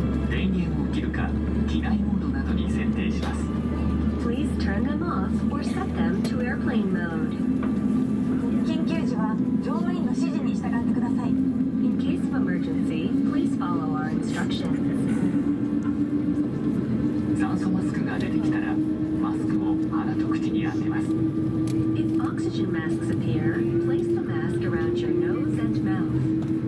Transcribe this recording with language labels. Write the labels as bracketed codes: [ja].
[ja] 電源を切るか、機内モードなどに設定します。 [en] Please turn them off or set them to airplane mode. [ja] 緊急時は乗務員の指示に従ってください。 [en] In case of emergency, please follow our instructions. [ja] 酸素マスクが出てきたら、マスクを鼻と口に入れます。になっています。 [en] If oxygen masks appear, place the mask around your nose and mouth.